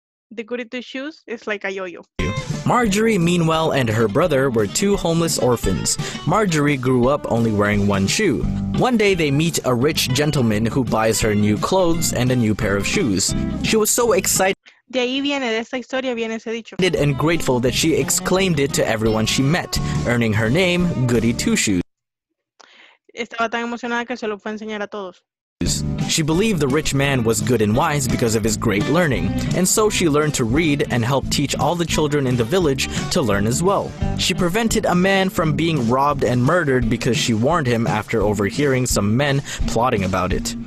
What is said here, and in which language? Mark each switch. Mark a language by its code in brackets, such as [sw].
[en] The Goody Two Shoes is like a yo-yo. Marjorie, meanwhile, and her brother were two homeless orphans. Marjorie grew up only wearing one shoe. One day, they meet a rich gentleman who buys her new clothes and a new pair of shoes. She was so excited. [es] De ahí viene, de esta historia viene ese dicho. [en] And grateful that she exclaimed it to everyone she met, earning her name, Goody Two Shoes. [es] Estaba tan emocionada que se lo fue a enseñar a todos. [en] She believed the rich man was good and wise because of his great learning, and so she learned to read and helped teach all the children in the village to learn as well. She prevented a man from being robbed and murdered because she warned him after overhearing some men plotting about it.